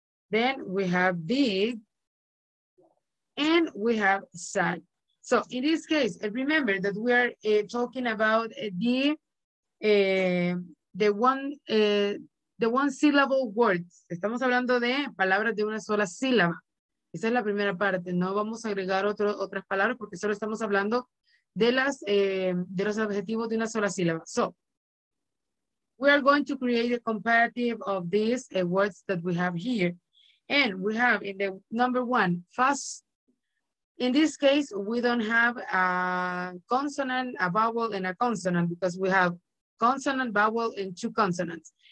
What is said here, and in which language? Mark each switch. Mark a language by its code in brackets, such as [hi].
[en] Then we have big. And we have sad. So in this case, remember that we are talking about the one syllable words. [es] Estamos hablando de palabras de una sola sílaba. Esa es la primera parte. No vamos a agregar otras palabras porque solo estamos hablando de los adjetivos de una sola sílaba. [en] So we are going to create a comparative of these words that we have here. And we have in the number one, fast. In this case, we don't have a consonant, a vowel, and a consonant because we have consonant, vowel, and two consonants.